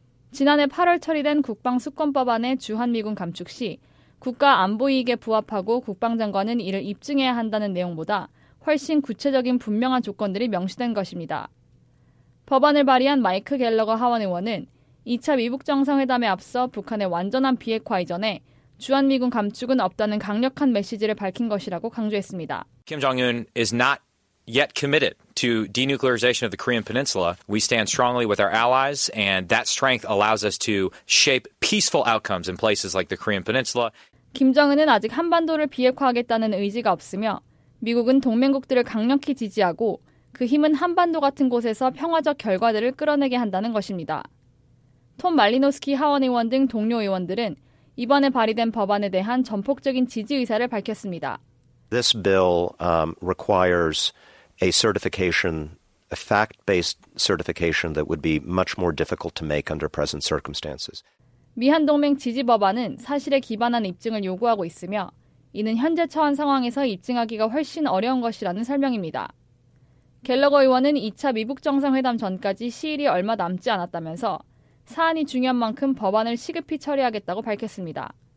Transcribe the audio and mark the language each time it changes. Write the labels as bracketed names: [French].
[Korean] 지난해 8월 처리된 국방수권법안의 주한미군 감축 시 국가 안보 이익에 부합하고 국방장관은 이를 입증해야 한다는 내용보다 훨씬 구체적인 분명한 조건들이 명시된 것입니다. 법안을 발의한 마이크 갤러거 하원 의원은 2차 미북 정상회담에 앞서 북한의 완전한 비핵화 이전에 주한미군 감축은 없다는 강력한 메시지를 밝힌 것이라고 강조했습니다. [English] Kim Jong-un is not yet committed to denuclearization of the Korean Peninsula. We stand strongly with our allies and that strength allows us to shape peaceful outcomes in places like the Korean Peninsula. [Korean] 김정은은 아직 한반도를 비핵화하겠다는 의지가 없으며 미국은 동맹국들을 강력히 지지하고 그 힘은 한반도 같은 곳에서 평화적 결과들을 끌어내게 한다는 것입니다. 톰 말리노스키 하원 의원 등 동료 의원들은 이번에 발의된 법안에 대한 전폭적인 지지 의사를 밝혔습니다. [English] This bill requires a certification, a fact-based certification that would be much more difficult to make under present circumstances. [Korean] 미한동맹 지지 법안은 사실에 기반한 입증을 요구하고 있으며 이는 현재 처한 상황에서 입증하기가 훨씬 어려운 것이라는 설명입니다. 갤러거 의원은 2차 미북 정상회담 전까지 시일이 얼마 남지 않았다면서 사안이 중요한 만큼 법안을 시급히 처리하겠다고 밝혔습니다.